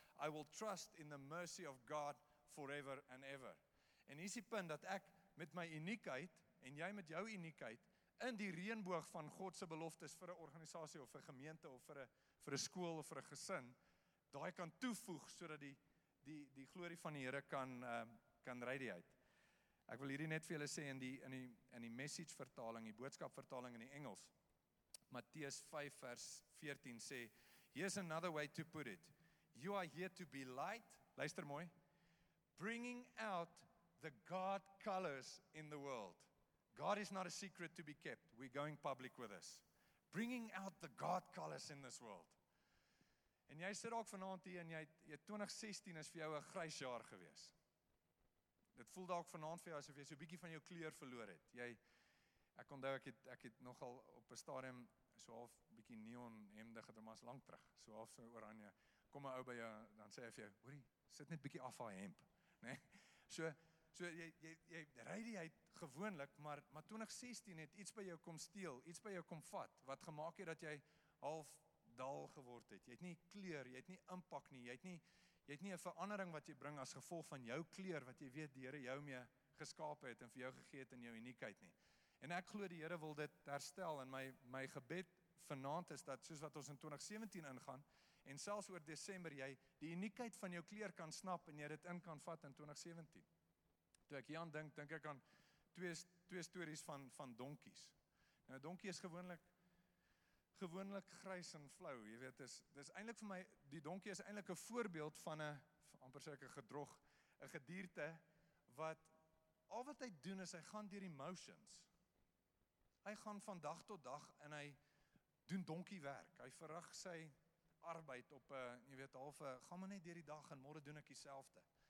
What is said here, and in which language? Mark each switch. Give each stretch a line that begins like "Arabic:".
English: I will trust in the mercy of God forever and ever.
Afrikaans: En hier is die punt dat ek met my uniekheid en jy met jou uniekheid in die reënboog van God se beloftes vir 'n organisasie of 'n gemeente of vir 'n skool of vir 'n gesin daai kan toevoeg sodat die glorie van die Here kan radiate. Ek wil hierdie net vir julle sê in die message vertaling, die boodskap vertaling in die Engels. Matteus 5 vers 14 sê,
English: "Here's another way to put it. You are here to be light."
Afrikaans: Luister mooi.
English: "Bringing out the God colors in the world. God is not a secret to be kept. We're going public with this. Bringing out the God colors in this world."
Afrikaans: En jy sit ook vanaand hier en jy 2016 is vir jou 'n grys jaar gewees. Dit voel dalk vanaand vir jou asof jy so 'n bietjie van jou kleur verloor het. Ek het nogal op 'n stadium so half bietjie neon hemde gedra, maar is lank terug. So half so oranje. Kom 'n ou by jou dan sê hy vir jou, "Hoorie, sit net bietjie af haar hemp." Nê? So jy ry die uit gewoonlik, maar 2016 het iets by jou kom steel, iets by jou kom vat, wat gemaak het dat jy half dal geword het. Jy het nie kleur, jy het nie impak nie, jy het nie 'n verandering wat jy bring as gevolg van jou kleur, wat jy weet die Here jou mee geskape het en vir jou gegee het in jou uniekheid nie. En ek glo die Here wil dit herstel, en my gebed vanaand is dat soos wat ons in 2017 ingaan, en selfs oor Desember, jy die uniekheid van jou kleur kan snap en jy dit in kan vat in 2017. Toe ek hieraan dink ek aan twee stories van donkies. Nou, donkie is gewoonlik grys en flou, jy weet, dis eintlik vir my, die donkie is eintlik 'n voorbeeld van 'n, amper sê ek, 'n gedrog, 'n gedierte, wat, al wat hy doen is, hy gaan deur emotions. Hy gaan van dag tot dag, en hy doen donkie werk, hy verrig sy arbeid op, jy weet, halve, gaan maar net deur die dag, en môre doen ek dieselfde.